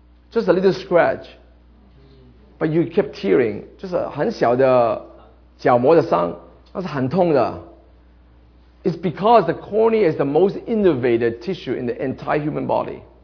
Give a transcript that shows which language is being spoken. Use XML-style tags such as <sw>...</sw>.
<en>Just a little scratch, but you kept tearing.</en> <zh>就是很小的角膜的伤，那是很痛的。</zh> <en>It's because the cornea is the most innervated tissue in the entire human body.</en>